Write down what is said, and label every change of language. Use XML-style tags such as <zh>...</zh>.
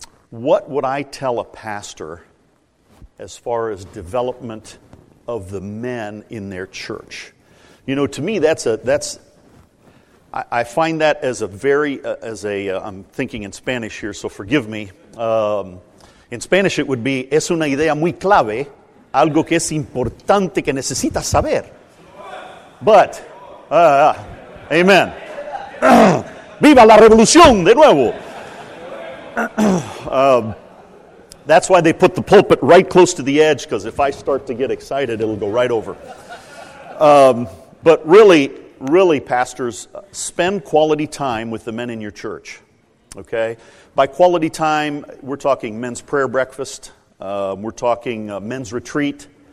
<en>What would I tell a pastor as far as development of the men in their church? You know, to me, I find that as a very, I'm thinking in Spanish here, so forgive me. In Spanish, it would be,</en> <es>es una idea muy clave, algo que es importante que necesita saber. But, amen. Viva la revolución de nuevo.</es> <en>That's why they put the pulpit right close to the edge, because if I start to get excited, it'll go right over. But really, really, pastors, spend quality time with the men in your church, okay? By quality time, we're talking men's prayer breakfast. We're talking men's retreat.</en>